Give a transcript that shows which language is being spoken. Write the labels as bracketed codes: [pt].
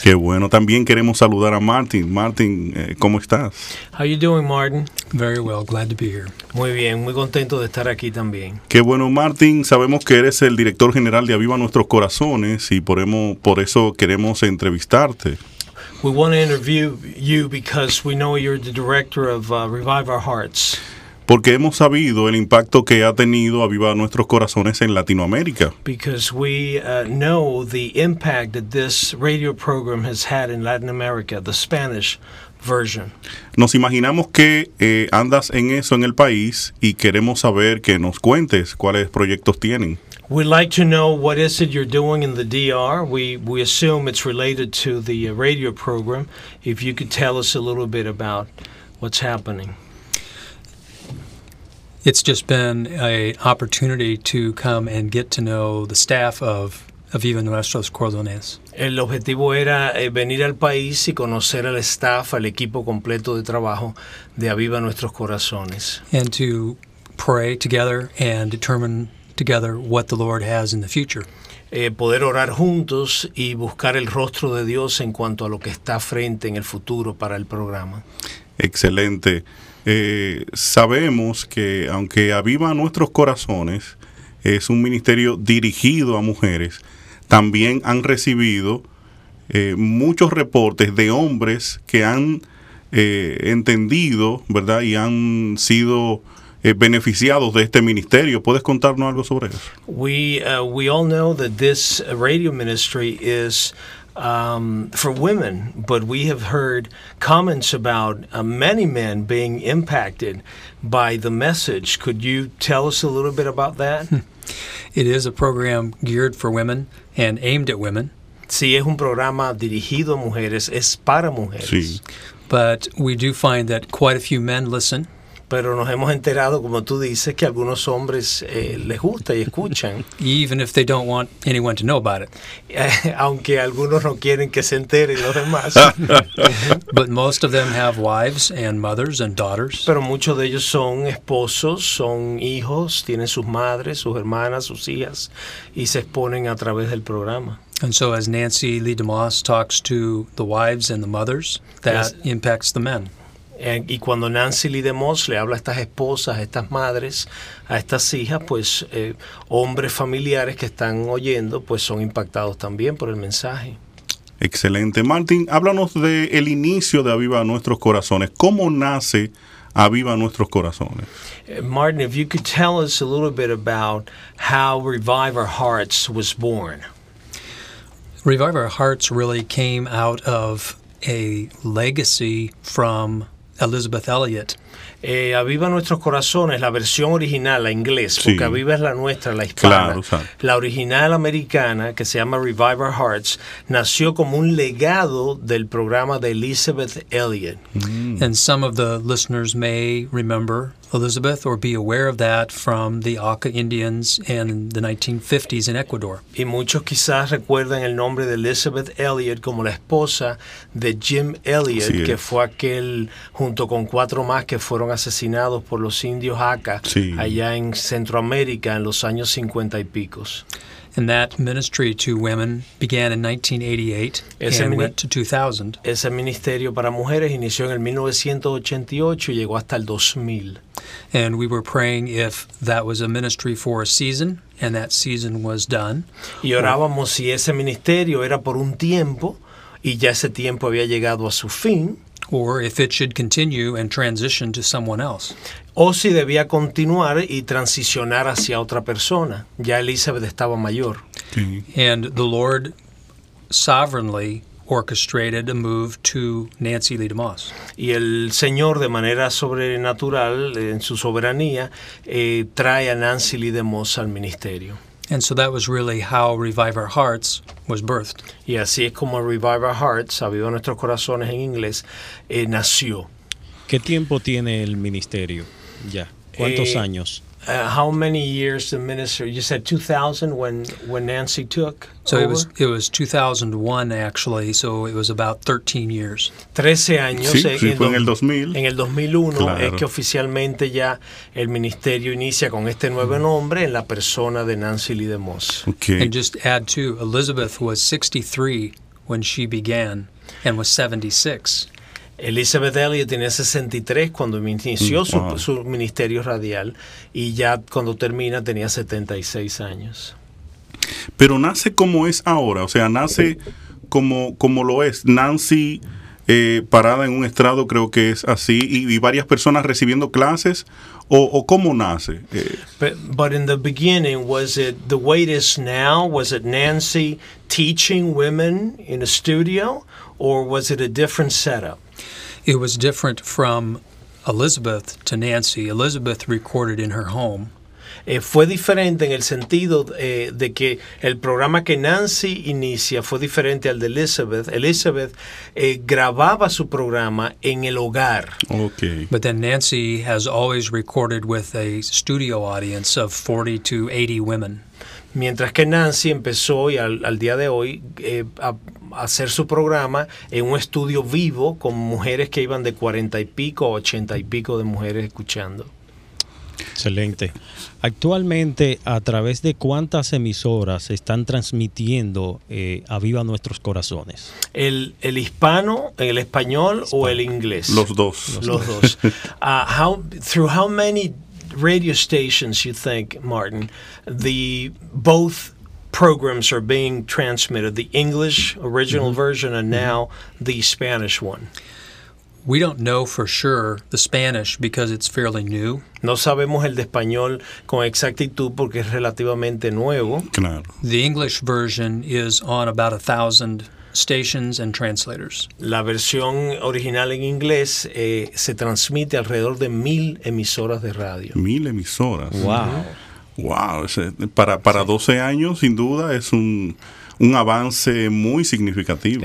[es] Qué bueno, también queremos saludar a Martin. Martin, ¿cómo estás? [en] How you doing, Martin? Very well, glad to be here. [es] Muy bien, muy contento de estar aquí también. Qué bueno, Martin, sabemos que eres el director general de Aviva Nuestros Corazones y por eso queremos entrevistarte. [en] We want to interview you because we know you're the director of Revive Our Hearts. [es] Porque hemos sabido el impacto que ha tenido Aviva Nuestros Corazones en Latinoamérica. [en] Because we know the impact that this radio program has had in Latin America, the Spanish version. [es] Nos imaginamos que andas en eso en el país y queremos saber que nos cuentes cuáles proyectos tienen. [en] We'd like to know what is it you're doing in the DR. We assume it's related to the radio program. If you could tell us a little bit about what's happening. It's just been an opportunity to come and get to know the staff of Aviva Nuestros Corazones. [es] El objetivo era venir al país y conocer al staff, al equipo completo de trabajo de Aviva Nuestros Corazones. [en] And to pray together and determine together what the Lord has in the future. [es] Poder orar juntos y buscar el rostro de Dios en cuanto a lo que está frente en el futuro para el programa. Excelente. Sabemos que aunque Aviva Nuestros Corazones es un ministerio dirigido a mujeres, también han recibido muchos reportes de hombres que han entendido, ¿verdad?, y han sido beneficiados de este ministerio. ¿Puedes contarnos algo sobre eso? [en] We all know that this radio ministry is for women, but we have heard comments about many men being impacted by the message. Could you tell us a little bit about that? It is a program geared for women and aimed at women. [es] Sí, es un programa dirigido a mujeres, es para mujeres. Sí. [en] But we do find that quite a few men listen. [es] Pero nos hemos enterado, como tú dices, que algunos hombres les gusta y escuchan. [en] Even if they don't want anyone to know about it. [es] Aunque algunos no quieren que se enteren los demás. [en] But most of them have wives and mothers and daughters. [es] Pero muchos de ellos son esposos, son hijos, tienen sus madres, sus hermanas, sus hijas, y se exponen a través del programa. [en] And so as Nancy Lee DeMoss talks to the wives and the mothers, that yes, impacts the men. [es] Y cuando Nancy Lee DeMoss le habla a estas esposas, a estas madres, a estas hijas, pues hombres familiares que están oyendo, pues son impactados también por el mensaje. Excelente. Martin, háblanos del inicio de Aviva Nuestros Corazones. ¿Cómo nace Aviva Nuestros Corazones? [en] Martin, if you could tell us a little bit about how Revive Our Hearts was born. Revive Our Hearts really came out of a legacy from Elizabeth Elliot. [es] Aviva Nuestros Corazones, la versión original, la inglés, sí, porque Aviva es la nuestra, la hispana. Claro, o sea, la original americana, que se llama Revive Our Hearts, nació como un legado del programa de Elizabeth Elliot. [en] And some of the listeners may remember Elizabeth or be aware of that from the Aka Indians in the 1950s in Ecuador. [es] Y muchos quizás recuerdan el nombre de Elizabeth Elliot como la esposa de Jim Elliot, sí, que fue aquel junto con cuatro más que fueron asesinados por los indios Aka, sí, allá en Centroamérica en los años 50 y picos. [en] And that ministry to women began in 1988 and went to 2000. [es] Ese ministerio para mujeres inició en el 1988 y llegó hasta el 2000. [en] And we were praying if that was a ministry for a season, and that season was done. [es] Y orábamos si ese ministerio era por un tiempo, y ya ese tiempo había llegado a su fin. [en] or if it should continue and transition to someone else. [es] O si debía continuar y transicionar hacia otra persona. Ya Elizabeth estaba mayor. [en] And the Lord sovereignly orchestrated a move to Nancy Lee DeMoss. [es] Y el Señor, de manera sobrenatural, en su soberanía, trae a Nancy Lee DeMoss al ministerio. [en] And so that was really how Revive Our Hearts was birthed. [es] Y así es como Revive Our Hearts, Aviva Nuestros Corazones en inglés, nació. ¿Qué tiempo tiene el ministerio ya? ¿Cuántos años? [en] How many years the minister? You said 2000 when Nancy took. So over? it was 2001 actually. So it was about 13 years. [es] 13 años. Sí, sí, fue en el 2000. En el 2001, claro. Es que oficialmente ya el ministerio inicia con este nuevo nombre en la persona de Nancy Lee DeMoss. Okay. [en] And just add to Elizabeth was 63 when she began and was 76. [es] Elizabeth Elliot tenía 63 cuando inició su ministerio radial y ya cuando termina tenía 76 años. Pero nace como es ahora, o sea, nace como lo es. Nancy parada en un estrado, creo que es así, y varias personas recibiendo clases. O cómo nace. [en] But in the beginning, was it the way it is now? Was it Nancy teaching women in a studio? Or was it a different setup? It was different from Elizabeth to Nancy. Elizabeth recorded in her home. [es] Fue diferente en el sentido de que el programa que Nancy inicia fue diferente al de Elizabeth. Elizabeth grababa su programa en el hogar. Okay. [en] But then Nancy has always recorded with a studio audience of 40 to 80 women. [es] Mientras que Nancy empezó y al día de hoy a hacer su programa en un estudio vivo con mujeres que iban de 40 y pico a 80 y pico de mujeres escuchando. Excelente. Actualmente, ¿a través de cuántas emisoras están transmitiendo Aviva Nuestros Corazones? El hispano, el español hispano. O el inglés. Los dos. [en] Through how many radio stations you think, Martin, the both programs are being transmitted, the English original mm-hmm. version and now mm-hmm. the Spanish one? We don't know for sure the Spanish because it's fairly new. [es] No sabemos el de español con exactitud porque es relativamente nuevo. Claro. [en] The English version is on about 1,000 stations and translators. [es] La versión original en inglés se transmite alrededor de 1,000 emisoras de radio. 1,000 emisoras. Wow. Wow. Para 12 años, sin duda, es un avance muy significativo.